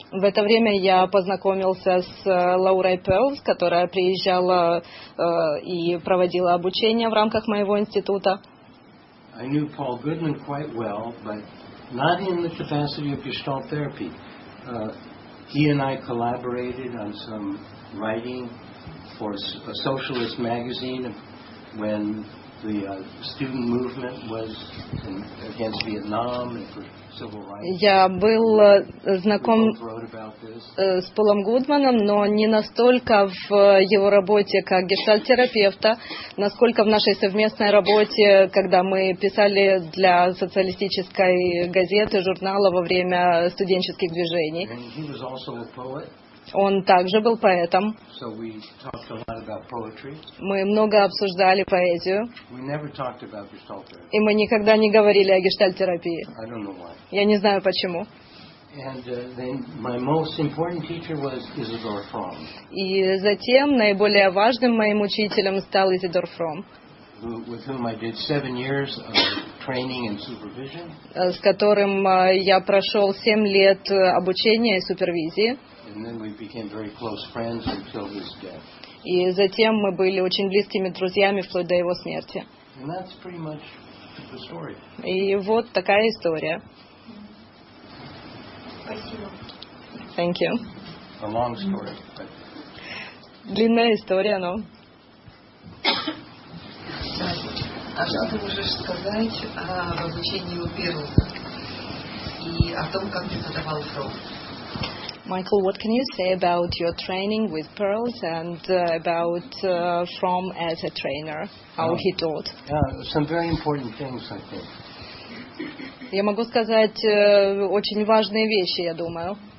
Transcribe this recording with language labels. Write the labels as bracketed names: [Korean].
[Russian] В это время я познакомился с Лаурой Перлс, которая приезжала и проводила обучение в рамках моего института. [English] I knew Paul Goodman quite well, but not in the capacity of Gestalt therapy. He and I collaborated on some writing for a socialist magazine when the student movement was against Vietnam and for civil rights. [Russian] Я был знаком с Полом Гудманом, но не настолько в его работе как гештальт-терапевта, насколько в нашей совместной работе, когда мы писали для социалистической газеты, журнала во время студенческих движений. [English] And he was also a poet. [Russian] Он также был поэтом. [English] So we talked a lot about poetry. [Russian] Мы много обсуждали поэзию. [English] We never talked about gestalt-therapy. [Russian] И мы никогда не говорили о гештальт-терапии. [English] I don't know why. [Russian] Я не знаю почему. [English] And then my most important teacher was Isidor Fromm. [Russian] И затем наиболее важным моим учителем стал Изидор Фромм. [English] With whom I did 7 years of training and supervision. [Russian] С которым я прошел 7 лет обучения и супервизии. [English] And then we became very close friends until his death. [Russian] И затем мы были очень близкими друзьями вплоть до его смерти. [English] And that's pretty much the story. [Russian] И вот такая история. Спасибо. [English] Thank you. A long story. [Russian] Длинная история, но. А что ты можешь сказать о обучении у Перлза и о том, как ты преподавал Фромм? [English] Michael, what can you say about your training with Perls and about Fromm as a trainer, how he taught? Some very important things, I think. [Russian] Я могу сказать очень важные вещи, я думаю.